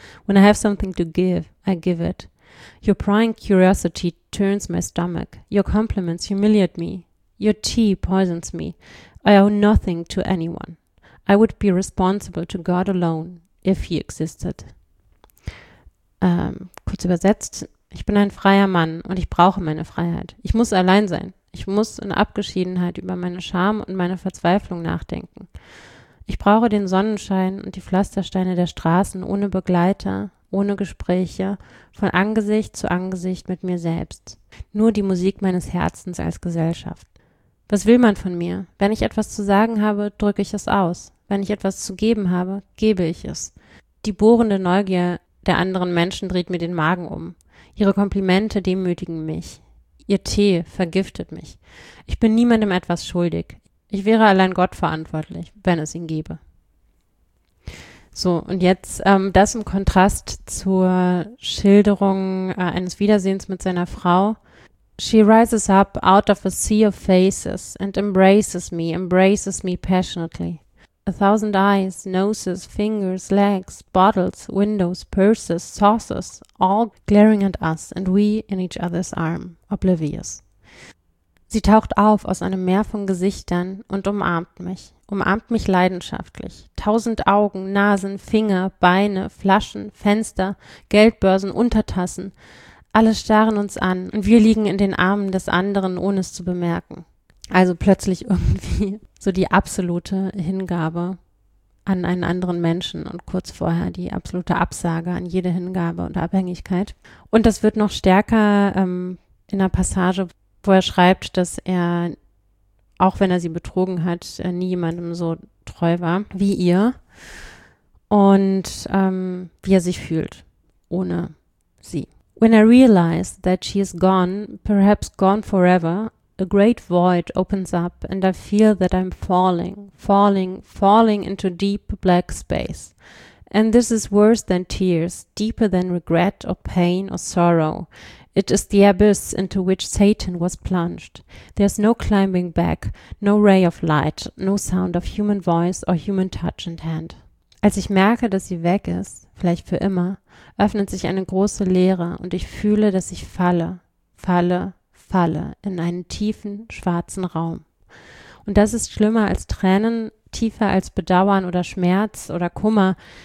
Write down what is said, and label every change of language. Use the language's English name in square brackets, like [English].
[English] When I have something to give, I give it. Your prying curiosity turns my stomach. Your compliments humiliate me. Your tea poisons me. I owe nothing to anyone. I would be responsible to God alone, if he existed. [German] Kurz übersetzt, ich bin ein freier Mann und ich brauche meine Freiheit. Ich muss allein sein. Ich muss in Abgeschiedenheit über meine Scham und meine Verzweiflung nachdenken. Ich brauche den Sonnenschein und die Pflastersteine der Straßen ohne Begleiter, ohne Gespräche, von Angesicht zu Angesicht mit mir selbst. Nur die Musik meines Herzens als Gesellschaft. Was will man von mir? Wenn ich etwas zu sagen habe, drücke ich es aus. Wenn ich etwas zu geben habe, gebe ich es. Die bohrende Neugier der anderen Menschen dreht mir den Magen um. Ihre Komplimente demütigen mich. Ihr Tee vergiftet mich. Ich bin niemandem etwas schuldig. Ich wäre allein Gott verantwortlich, wenn es ihn gäbe. So, und jetzt das im Kontrast zur Schilderung eines Wiedersehens mit seiner Frau. [English] She rises up out of a sea of faces and embraces me passionately. 1,000 eyes, noses, fingers, legs, bottles, windows, purses, saucers, all glaring at us and we in each other's arm, oblivious. [German] Sie taucht auf aus einem Meer von Gesichtern und umarmt mich leidenschaftlich. 1,000 Augen, Nasen, Finger, Beine, Flaschen, Fenster, Geldbörsen, Untertassen, alle starren uns an und wir liegen in den Armen des anderen, ohne es zu bemerken. Also plötzlich irgendwie so die absolute Hingabe an einen anderen Menschen und kurz vorher die absolute Absage an jede Hingabe und Abhängigkeit. Und das wird noch stärker in der Passage, wo er schreibt, dass er, auch wenn er sie betrogen hat, nie jemandem so treu war wie ihr und wie er sich fühlt ohne sie. [English] When I realize that she is gone, perhaps gone forever, a great void opens up and I feel that I'm falling, falling, falling into deep black space. And this is worse than tears, deeper than regret or pain or sorrow. It is the abyss into which Satan was plunged. There's no climbing back, no ray of light, no sound of human voice or human touch and hand. [German] Als ich merke, dass sie weg ist, vielleicht für immer, öffnet sich eine große Leere und ich fühle, dass ich falle, falle, falle in einen tiefen, schwarzen Raum. Und das ist schlimmer als Tränen, tiefer als Bedauern oder Schmerz oder Kummer.